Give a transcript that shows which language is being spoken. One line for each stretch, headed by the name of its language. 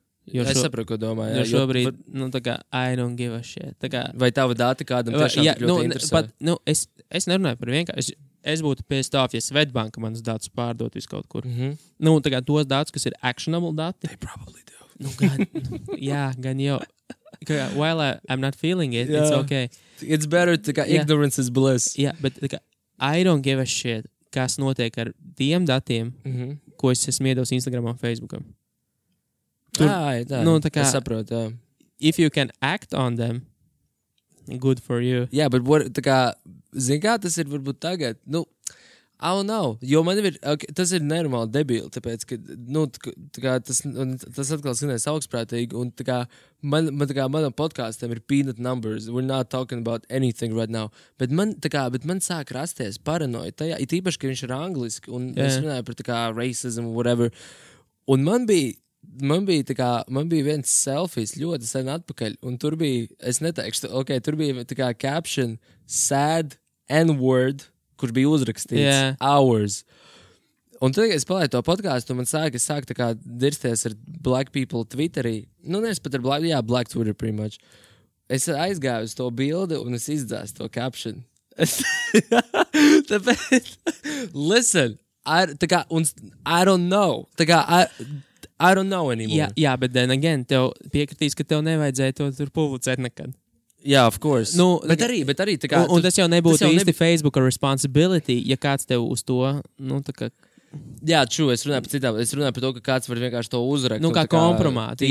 Latvian: Jo es saprotu, ko domāju. Jo šobrīd, nu, tā kā,
English: I don't give a shit.
Latvian: Tā kā, vai tava data kādam tiešām jā, ļoti interesē? Pat, nu, es nerunāju par vienkārši. Es būtu pie stāvja Svedbanka manas datus pārdot vis kaut kur. Mm-hmm. Nu, tā kā tos datus, kas ir actionable dati.
English: They probably do.
Latvian: Nu, gan, jā, gan jau.
English: Kā, while I'm not feeling it, it's okay. It's better,
Latvian: tā kā,
English: ignorance is bliss.
Latvian: Jā, bet tā kā,
English: I don't give a shit,
Latvian: kas notiek ar tiem datiem, mm-hmm. ko es esmu iedevis Instagramam un Facebookam. Tur, jā, jā, nu, tā kā, es saprotu, jā.
English: If you can act on them, good for you.
Latvian: Jā, bet tā kā, zin kā tas ir varbūt tagad, nu,
English: I don't know,
Latvian: jo man ir, okay, tas ir normāli debil, tāpēc, ka, nu, tā kā, tas, un, tas atkal skanēs augstprātīgi, un tā kā, man, man tā kā, manam podcastam ir
English: peanut numbers, we're not talking about anything right now,
Latvian: bet man, tā kā, bet man sāk rasties paranoja tajā, it īpaši, ka viņš ir angliski, un yeah. es runāju par, tā kā, racism, whatever, un man bija, Man bija, tā kā, man bija viens selfies ļoti sen atpakaļ, un tur bija, es neteikšu, ok, tur bija tā kā caption,
English: sad n-word,
Latvian: kur bija uzrakstīts, yeah. hours. Un tad, kad es palēju to podcastu, man sāk, es sāku tā kā dirsties ar black people Twitterī, nu, nevis pat ar black, jā,
English: black Twitter pretty much.
Latvian: Es aizgāju uz to bildi, un es izdzēstu to caption. Tāpēc,
English: listen, tā kā, un, I don't know, tā kā, I don't know anymore.
Latvian: Jā, jā, bet
English: then again,
Latvian: tev piekritīs, ka tev nevajadzēja to tur publicēt nekad. Jā,
English: of course.
Latvian: Nu, bet arī, bet arī, tā kā... Un, un tas jau nebūtu tas jau īsti Facebooka responsibility, ja kāds tev uz to, nu, tā kā... Jā, true, es runāju par citām, es runāju par to, ka kāds var vienkārši to uzrakt. Nu, kā, kā kompromāti.